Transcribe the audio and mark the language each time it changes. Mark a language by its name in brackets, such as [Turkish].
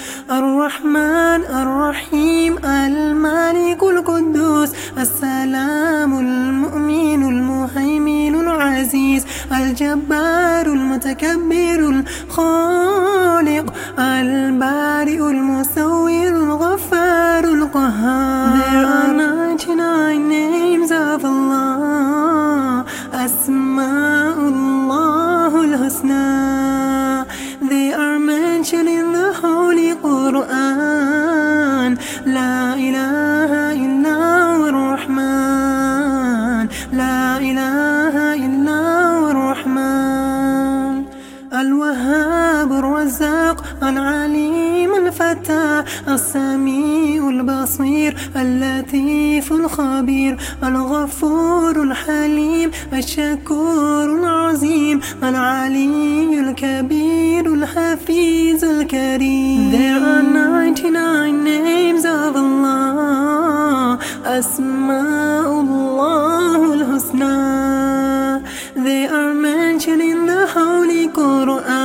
[Arabic] الرحمن الرحيم المالك القدوس السلام المؤمن المهيمن العزيز الجبار المتكبر الخالق البارئ المصور الغفار القهار. [English] There are 99 names of Allah. [Arabic] أسماء الله الحسنى. [English] They are mentioned in the Holy Quran. [Arabic] لا إله إلا الله الرحمن. لا إله إلا الله الرحمن. الوهاب الرزاق العليم الفتاح السميع البصير اللطيف الخبير الغفور الحليم الشكور العظيم العلي الكبير الحفيظ الكريم. [English] There are 99 names of Allah. [Arabic] أسماء الله الحسنى. [English] They are mentioned in the Holy Quran.